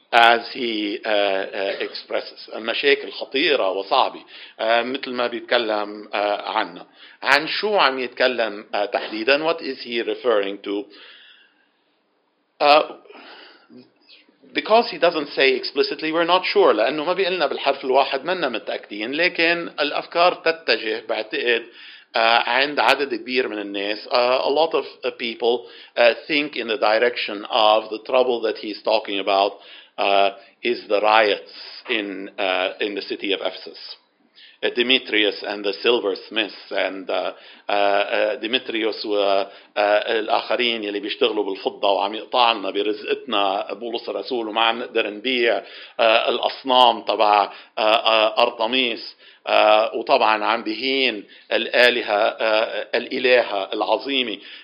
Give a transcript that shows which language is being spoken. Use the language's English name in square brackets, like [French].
[English] As he expresses, [Arabic] مشاكل خطيرة وصعبة مثل ما بيتكلم عنها. عن شو عم يتكلم تحديدا؟ [English] What is he referring to? Because he doesn't say explicitly, we're not sure. [Arabic] لأنه ما بيقلنا بالحرف الواحد منا متأكدين. لكن الأفكار تتجه بعتقد عند عدد كبير من الناس. [English] A lot of people think in the direction of the trouble that he's talking about is the riots in the city of Ephesus. Demetrius and the silversmiths and [Arabic] Demetrius والآخرين يلي بيشتغلوا بالفضة وعم يقطعنا برزقتنا بولس الرسول وما عم نقدر نبيع الأصنام تبع أرطميس وطبعا عم بهين الآلهة الإلهة العظيمة.